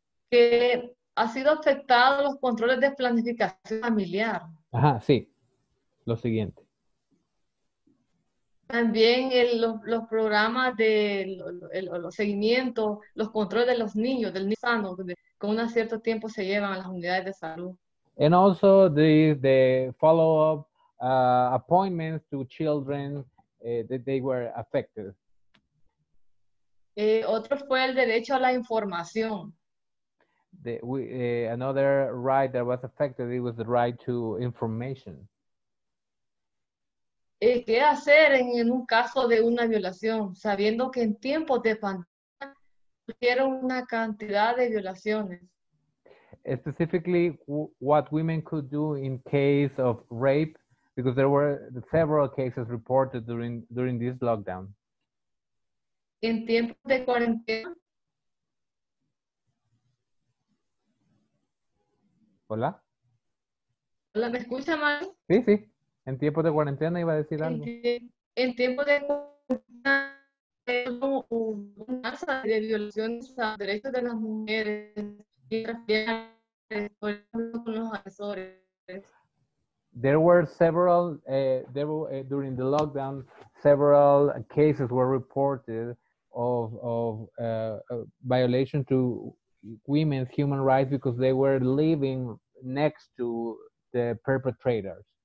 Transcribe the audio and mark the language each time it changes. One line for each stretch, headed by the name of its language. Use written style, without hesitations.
Spanish: Que ha sido afectado los controles de planificación familiar. Ajá, sí. Lo siguiente. También los programas de los seguimientos, los controles de los niños, del niño sano, con un cierto tiempo se llevan a las unidades de salud.
English: And also the follow-up appointments to children that they were affected.
Spanish: Otro fue el derecho a la información.
English: Another right that was affected, it was the right to information.
Spanish: ¿Qué hacer en un caso de una violación? Sabiendo que en tiempos de pandemia surgieron una cantidad de violaciones.
English: Specifically, what women could do in case of rape, because there were several cases reported during this lockdown.
Spanish: En tiempos de cuarentena. Hola. Hola, ¿me escucha, Mari? Sí, sí. En tiempos de cuarentena iba a decir algo. En tiempos de cuarentena, un alza de violaciones a derechos de las mujeres y con los agresores.
English: There were several, during the lockdown, several cases were reported of violation to women's human rights because they were living next to the perpetrators.